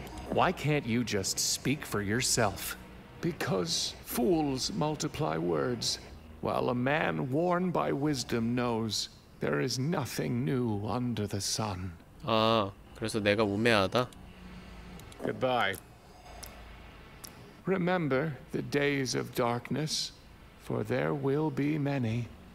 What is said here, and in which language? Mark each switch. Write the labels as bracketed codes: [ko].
[en] Why can't you just speak for yourself? Because fools multiply words, while a man worn by wisdom knows there is nothing new under the sun. [ko] 아, 그래서 내가 우매하다? [en] Goodbye. Remember the days of darkness, for there will be many.